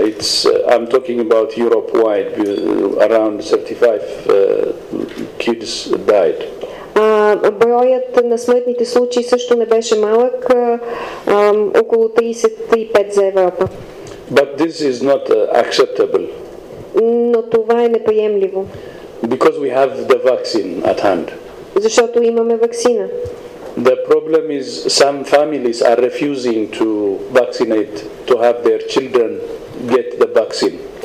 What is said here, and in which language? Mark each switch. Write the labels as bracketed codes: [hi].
[en] It's I'm talking about Europe wide, around 35 kids died. [bg] Броят на смъртните случаи също не беше малък, около 35 за Европа. [en] But this is not acceptable. [bg] Но това е неприемливо. [en] Because we have the vaccine at hand. [bg] Защото имаме ваксина. [en] The problem is some families are refusing to vaccinate to have their children get the vaccine.